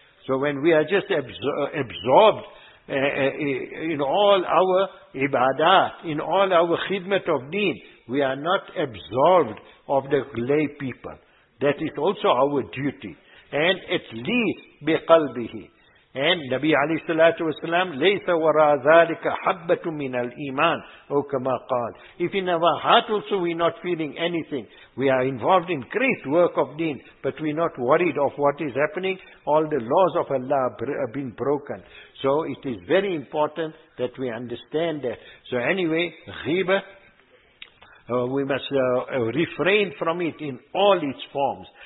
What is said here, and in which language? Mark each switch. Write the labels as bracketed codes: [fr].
[en] So when we are just absorbed in all our ibadat, in all our khidmat of deen, we are not absorbed of the lay people. That is also our duty. And at least بِقَلْبِهِ. And Nabi alayhi salatu wa salam, [ar] لَيْسَ وَرَى ذَلِكَ حَبَّةٌ مِّنَ الْإِيمَانِ أَوْ كَمَا قَالْ. [en] If in our heart also we are not feeling anything, we are involved in great work of deen, but we are not worried of what is happening, all the laws of Allah have been broken. So it is very important that we understand that. So anyway, ghibah, we must refrain from it in all its forms.